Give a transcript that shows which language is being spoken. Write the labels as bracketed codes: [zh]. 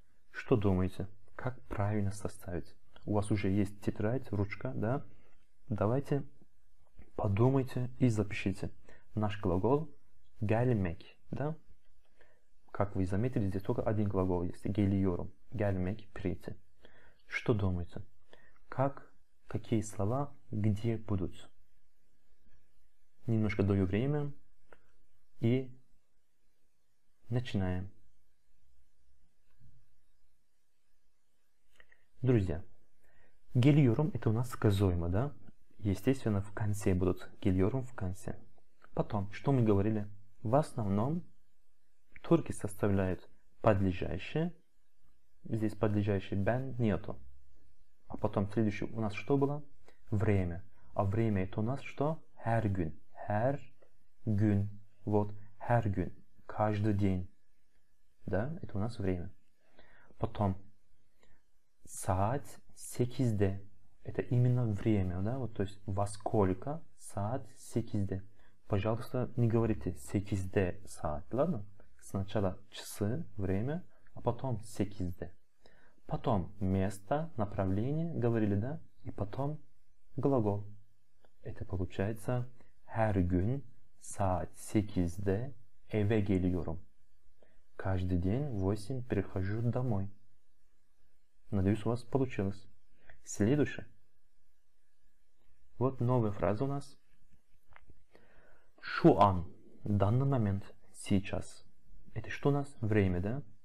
[ru] Что думаете, как правильно составить? У вас уже есть тетрадь, ручка, да? Давайте подумайте и запишите. Наш глагол gelmek, да? Как вы заметили, здесь только один глагол есть. [tr] Geliyorum, gelmek, [ru] прийти. Что думаете? Какие слова где будут? Немножко даю время и начинаем. Друзья, geliyorum это у нас сказуемо, да? Естественно, в конце будут geliyorum в конце. Потом, что мы говорили? В основном турки составляют подлежащее. Здесь подлежащее ben нету. А потом следующее у нас что было? Время. А время это у нас что? [tr] Her gün. Her gün. [ru] Вот [tr] her gün. [ru] Каждый день. Да? Это у нас время. Потом [tr] saat sekizde. [ru] Это именно время, да? Вот, то есть во сколько? [tr] Saat sekizde. [ru] Пожалуйста, не говорите [tr] sekizde saat, [ru] ладно? Сначала часы, время, а потом sekizde. Потом место, направление, говорили, да? И потом глагол. Это получается [tr] her gün saat sekizde eve geliyorum. [ru] Каждый день в восемь прихожу домой. Надеюсь, у вас получилось. Следующее. Вот новая фраза у нас. [tr] Şu an. [ru] Данный момент. Сейчас. Это что у нас? Время, да?